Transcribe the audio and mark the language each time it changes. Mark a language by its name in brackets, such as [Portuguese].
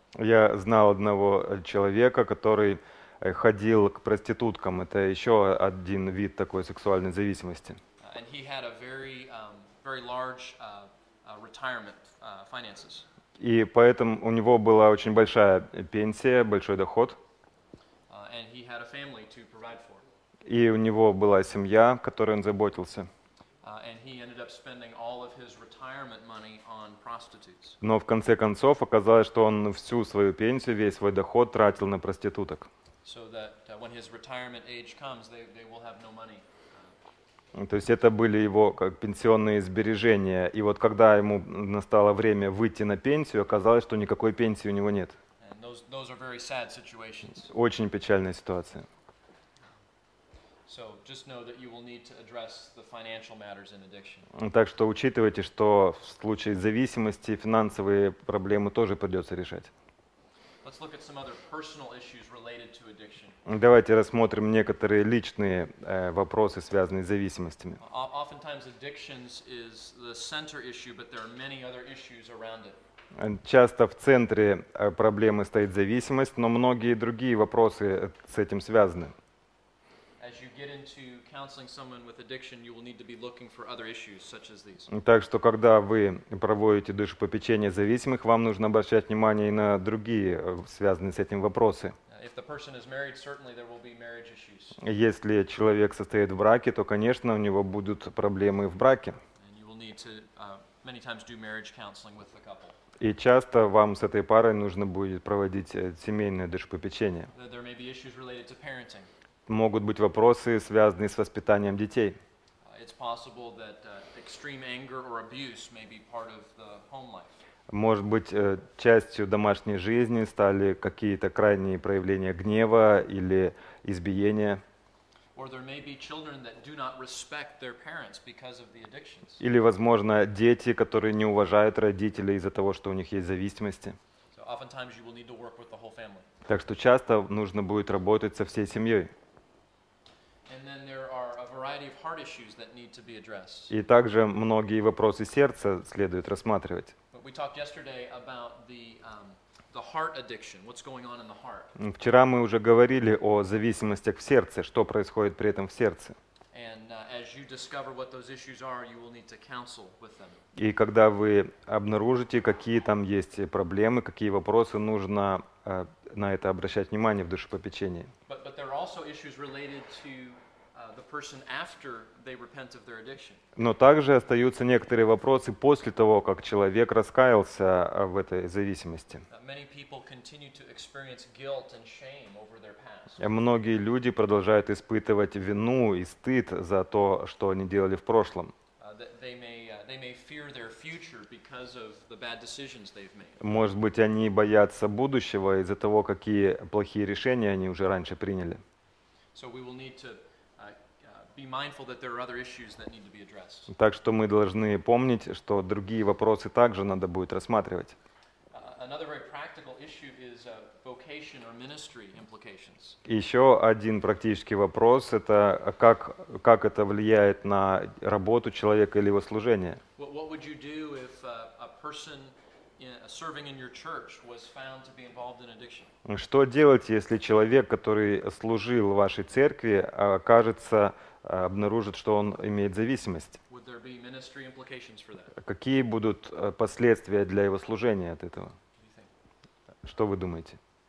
[Russian] Я знал одного человека, который ходил к проституткам. Это еще один вид такой сексуальной зависимости. [English] And he had a very, very large retirement finances. [Russian] И поэтому у него была очень большая пенсия, большой доход. [English] And he had a family to provide for. [Russian] И у него была семья, о которой он заботился. [English] And he ended up spending all of his retirement money on prostitutes. [Russian] Но в конце концов оказалось, что он всю свою пенсию, весь свой доход тратил на проституток. [English] So that when his retirement age comes, they will have no money. [Russian] То есть это были его как пенсионные сбережения, и вот когда ему настало время выйти на пенсию, оказалось, что никакой пенсии у него нет. [English] And those are very sad situations. [Russian] Очень печальная ситуация. [English] So just know that you will need to address the financial matters in addiction. [Russian] Так что учитывайте, что в случае зависимости финансовые проблемы тоже придется решать. [English] Let's look at some other personal issues related to addiction. [Russian] Давайте рассмотрим некоторые личные вопросы, связанные с зависимостями. [English] Oftentimes addictions is the center issue, but there are many other issues around it. [Russian] Часто в центре проблемы стоит зависимость, но многие другие вопросы с этим связаны. [English] As you get into counseling someone with addiction, you will need to be looking for other issues such as these. [Russian] Так что когда вы проводите душепопечение зависимых, вам нужно обращать внимание и на другие связанные с этим вопросы. [English] If the person is married, certainly there will be marriage issues. [Russian] Если человек состоит в браке, то, конечно, у него будут проблемы в браке. [English] And you will need to many times do marriage counseling with the couple. [Russian] И часто вам с этой парой нужно будет проводить семейное душепопечение. [English] There may be issues related to parenting. [Russian] Могут быть вопросы, связанные с воспитанием детей. [English] It's possible that extreme anger or abuse may be part of the home life. [Russian] Может быть, частью домашней жизни стали какие-то крайние проявления гнева или избиения. [English] Or there may be children that do not respect their parents because of the addictions. [Russian] Или, возможно, дети, которые не уважают родителей из-за того, что у них есть зависимости. [English] So oftentimes you will need to work with the whole family. [Russian] Так что часто нужно будет работать со всей семьей. [English] And then there are a variety of heart issues that need to be addressed. [Russian] И также многие вопросы сердца следует рассматривать. [English] But we talked yesterday about the heart addiction. What's going on in the heart? [Russian] Вчера мы уже говорили о зависимостях в сердце, что происходит при этом в сердце. [English] And as you discover what those issues are, you will need to counsel with them. [Russian] И когда вы обнаружите, какие там есть проблемы, какие вопросы, нужно на это обращать внимание в душепопечении. [English] But there are also issues related to the person after they repent of their addiction. [Russian] Но также остаются некоторые вопросы после того, как человек раскаялся в этой зависимости. [English] Many people continue to experience guilt and shame over their past. [Russian] Многие люди продолжают испытывать вину и стыд за то, что они делали в прошлом. [English] They may fear their future because of the bad decisions they've made. [Russian] Может быть, они боятся будущего из-за того, какие плохие решения они уже раньше приняли. [English] So we will need to be mindful that there are other issues that need to be addressed. [Russian] Так что мы должны помнить, что другие вопросы также надо будет рассматривать. [English] Another very practical issue is vocation or ministry implications. [Russian] Еще один практический вопрос – это как это влияет на работу человека или его служение. [English] What would you do if a person serving in your church was found to be involved in addiction? [Russian] Что делать, если человек, который служил в вашей церкви, окажется обнаружит, что он имеет зависимость? [English] Would there be ministry implications for that? [Russian] Какие будут последствия для его служения от этого? Что вы думаете?